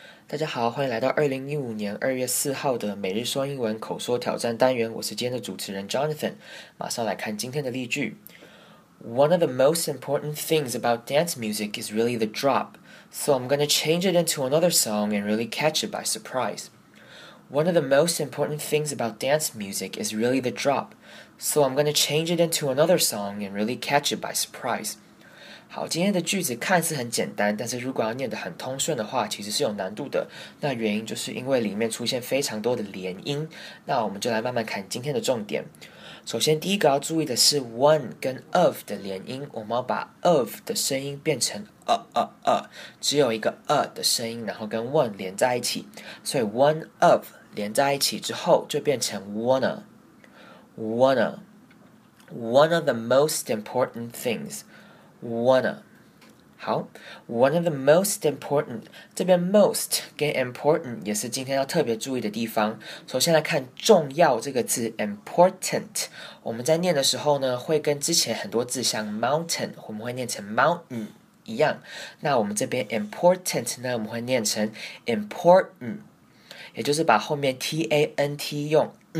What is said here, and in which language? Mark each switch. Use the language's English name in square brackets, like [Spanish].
[Chinese] 大家好，欢迎来到2015年2月4号的每日说英文口说挑战单元。我是今天的主持人 Jonathan。马上来看今天的例句。 [English] One of the most important things about dance music is really the drop, so I'm going to change it into another song and really catch it by surprise. One of the most important things about dance music is really the drop, so I'm going to change it into another song and really catch it by surprise. [Chinese] 好，今天的句子看似很简单，但是如果要念得很通顺的话，其实是有难度的。那原因就是因为里面出现非常多的连音。那我们就来慢慢看今天的重点。首先，第一个要注意的是 one 跟 of 的连音，我们要把 of 的声音变成 只有一个 的声音，然后跟 one 连在一起，所以 one of 连在一起之后就变成 wanna。 [English] One of the most important things. Wanna. [Chinese] 好 [English] One of the most important [Chinese] 这边 most 跟 important 也是今天要特别注意的地方首先来看重要这个字 important 我们在念的时候呢会跟之前很多字像 mountain 我们会念成 mountain 一样那我们这边 important 呢我们会念成 important 也就是把后面 T-A-N-T 用